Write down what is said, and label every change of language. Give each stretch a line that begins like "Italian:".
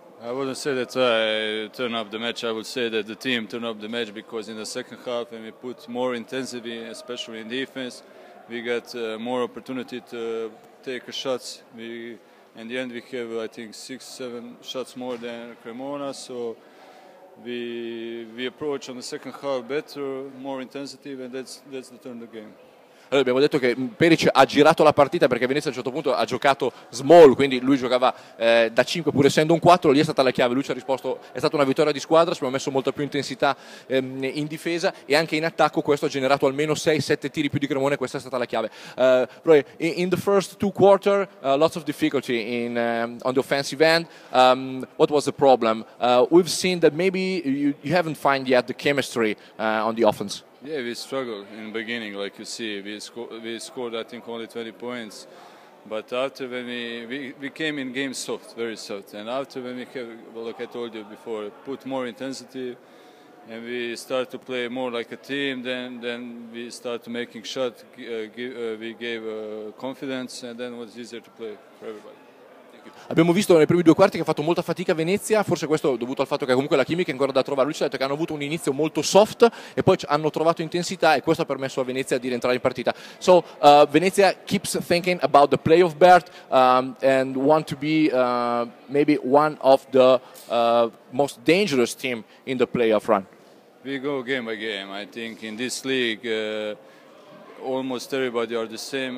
English: I wouldn't say that I turned up the match. I would say that the team turned up the match because in the second half when we put more intensity, especially in defense, we got more opportunity to take shots. In the end, we have, I think, 6-7 shots more than Cremona. So we approach on the second half better, more intensity, and that's the turn of the game.
Italian: Allora, abbiamo detto che Peric ha girato la partita perché Venezia a un certo punto ha giocato small, quindi lui giocava da 5 pur essendo un 4, lì è stata la chiave, lui ci ha risposto, è stata una vittoria di squadra, abbiamo messo molta più intensità in difesa e anche in attacco, questo ha generato almeno 6-7 tiri più di Cremona, questa è stata la chiave.
English: Roy, in the first two quarter, lots of difficulty in on the offensive end. What was the problem? We've seen that maybe you haven't find yet the chemistry on the offense. Yeah, we struggled in the beginning, like you see. We scored, I think, only 20 points. But after when we came in game soft, very soft. And after when we have, well, like I told you before, put more intensity and we start to play more like a team, then we start making shots, confidence, and then it was easier to play for everybody.
Italian: Abbiamo visto nei primi due quarti che ha fatto molta fatica Venezia, forse questo dovuto al fatto che comunque la chimica è ancora da trovare. Lui ci ha detto che hanno avuto un inizio molto soft e poi hanno trovato intensità e questo ha permesso a Venezia di rientrare in partita.
English: So Venezia keeps thinking about the playoff berth and want to be maybe one of the most dangerous team in the playoff run. We go game by game. I think in this league almost everybody are the same.